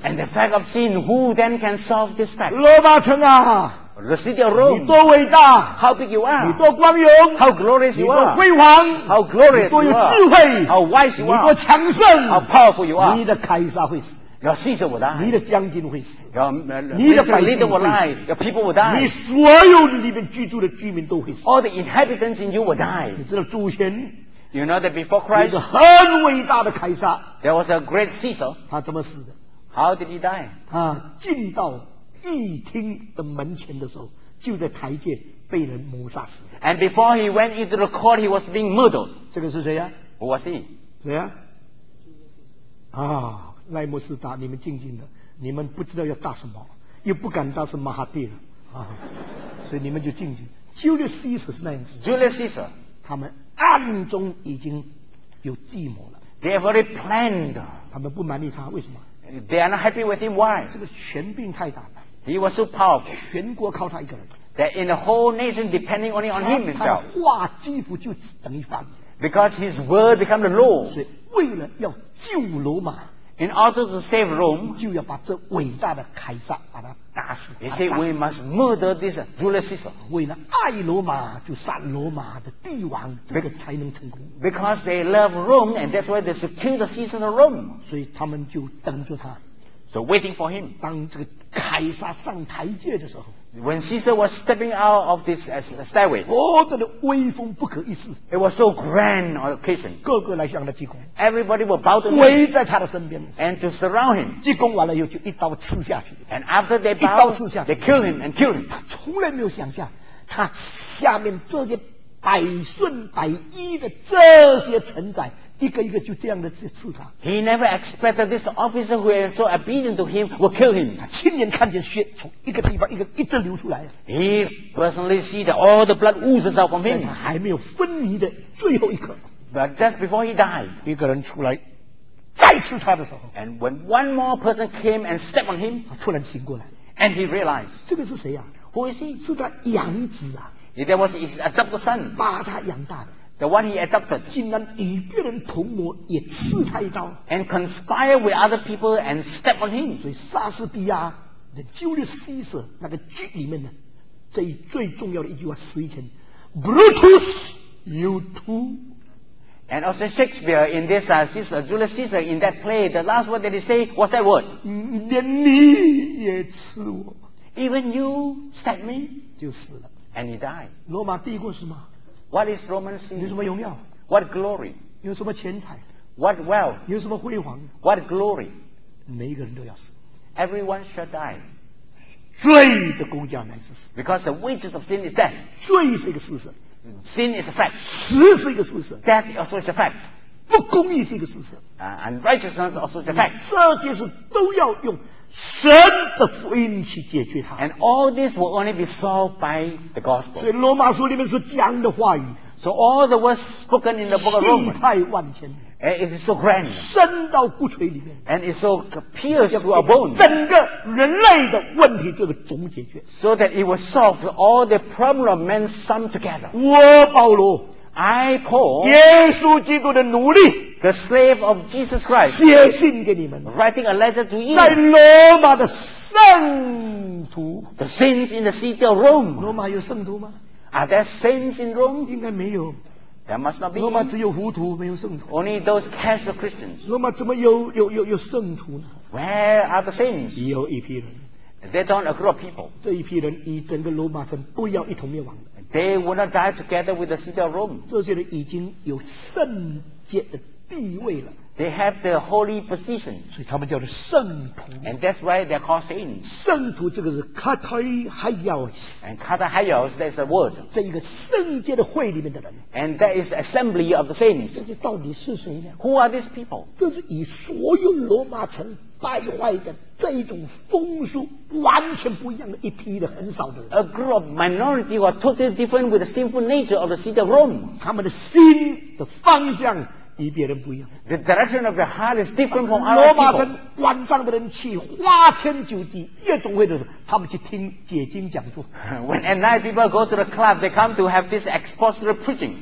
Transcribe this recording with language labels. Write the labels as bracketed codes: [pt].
[en] ？And the fact of sin, who then can solve this fact? [zh] 罗马城啊 [en] ，The city of Rome, [zh] 你多伟大 [en] ，How big you are, [zh] 你多光荣 [en] ，How glorious you are, [zh] 你多辉煌 [en] ，How glorious you are, [zh] 你多有智慧 [en] ，How wise you are, [zh] 你多强盛 [en] ，How powerful you are, [zh] 你的凯撒会死。要牺牲我的，你的将军会死； 你的百姓会死；你的 [en] people will die。 [zh] 你所有你里面居住的居民都会死。 [en] All the inhabitants in you will die。 [zh] 你知道祖先 [en] ？You know that before Christ， [zh] 有一个很伟大的凯撒。 [en] There was a great Caesar。 [zh] 他怎么死的 [en] ？How did he die？ [zh] 他进到议厅的门前的时候，就在台阶被人谋杀死的。 [en] And before he went into the court, he was being murdered。 [zh] 这个是谁呀 [en] ？Who was he？ [zh] 谁呀？啊。莱姆斯达，你们静静的，你们不知道要炸什么，又不敢炸是马哈蒂了啊，所以你们就静静。 Julius Caesar 是那样子。 [en] Julius Caesar， [zh] 他们暗中已经有计谋了。 [en] They have already planned。 [zh] 他们不满意他，为什么 [en] ？They are not happy with him. Why？ [zh] 这个权柄太大了。 [en] He was so powerful. [zh] 全国靠他一个人。 [en] That in the whole nation depending only on him himself. [zh] 他的话几乎就等于法律。 [en] Because his word became the law. [zh] 所以为了要救罗马。 [en] In order to save Rome, [zh] 就要把这伟大的凯撒把他打死。 [en] He said we must murder this Julius Caesar. [zh] 为了爱罗马，就杀罗马的帝王，这个才能成功。 [en] Because they love Rome, and that's why they should kill the Caesar of Rome. [zh] 所以他们就等着他。 [en] So waiting for him. [zh] 当这个凯撒上台阶的时候。 [en] When Caesar was stepping out of this stairway, [zh] 多大的威风不可一世。 [en] It was so grand an occasion. [zh] 个个来向他鞠躬。 [en] Everybody will bow to him. [zh] 围在他的身边。 [en] And to surround him. [zh] 鞠躬完了以后就一刀刺下去。 [en] And after they bow, [zh] 一刀刺下去 [en] they kill him and kill him. [zh] 他从来没有想象，他下面这些百顺百依的这些臣宰。一个一个就这样的去刺他。 [en] He never expected this officer who is so obedient to him will kill him. [zh] 他亲眼看见血从一个地方一个一直流出来。 [en] He personally see that all the blood oozes out from him. [zh] 他还没有昏迷的最后一刻。 [en] But just before he died, [zh] 一个人出来再刺他的时候。 [en] And when one more person came and stepped on him, [zh] 他突然醒过来。 [en] And he realized, [zh] 这个是谁啊？ [en] Who is he? [zh] 是他养子啊。 [en] That was his adopted son. [zh] 把他养大的。 [en] The one he adopted, [zh] 竟然与别人同谋，也刺他一刀 [en] ，and conspire with other people and step on him. [zh] 所以莎士比亚的《Julius Caesar》那个剧里面呢，这一最重要的一句话是一句 ， [en] Brutus, you too. And also Shakespeare in this Caesar, Julius Caesar in that play, the last word that he say was that word. [zh] 连你也刺我 [en] ，even you step me, [zh] 就死了 [en] ，and he died. [zh] 罗马帝国是吗？ [en] What is Roman city? [zh] 有什么荣耀 [en] ？What glory? [zh] 有什么钱财 [en] ？What wealth? [zh] 有什么辉煌 [en] ？What glory? [zh] 每一个人都要死。 [en] Everyone shall die. [zh] 罪的工价乃是死。 [en] Because the wages of sin is death. [zh] 罪是一个事实。 [en] Sin is a fact. [zh] 死是一个事实。 [en] Death also is a fact. [zh] 不公义是一个事实。 [en] Unrighteousness also is a fact. [zh] 这些事都要用神的福音去解决它。 [en] And all this will only be solved by the gospel. [zh] 所以罗马书里面所讲的话语。 [en] So all the words spoken in the book of Romans. [zh] 气派万千。 [en] And it is so grand. [zh] 深到骨髓里面。 [en] And it's so pierced through our bones. [zh] 整个人类的问题就是总解决。 [en] So that it will solve all the problem of men sum together. [zh] 我保罗。 [en] I Paul. [zh] 耶稣基督的奴隶。 [en] The slave of Jesus Christ, [zh] 写信给你们 [en] writing a letter to you, [zh] 在罗马的圣徒 [en] the saints in the city of Rome, [zh] 罗马有圣徒吗 [en] are there saints in Rome? [zh] 应该没有 [en] there must not be, [zh] 罗马只有糊涂没有圣徒 [en] only those casual Christians, [zh] 罗马怎么有圣徒呢 [en] where are the saints? [zh] 有一批人 [en] they don't a group of people, [zh] 这一批人与整个罗马城不要一同灭亡 [en] they will not die together with the city of Rome, [zh] 这些人已经有圣洁的地位了 [en] they have the holy position, [zh] 所以他们叫做圣徒 [en] and that's why they're called saints. [zh] 圣徒这个是 katahaios, [en] and katahaios that's the word. [zh] 这一个圣洁的会里面的人 [en] and that is assembly of the saints. [zh] 这到底是谁呢 [en] who are these people? [zh] 这是以所有罗马城败坏的这种风俗完全不一样的一批的很少的人 [en] a group of minority who are totally different with the sinful nature of the city of Rome. [zh] 他们的心的方向与别人不一样 [en] The direction of the heart is different from other [zh] people 罗马城晚上的人去花天酒地夜总会的时候他们去听解经讲座 [en] When at night people go to the club they come to have this expository preaching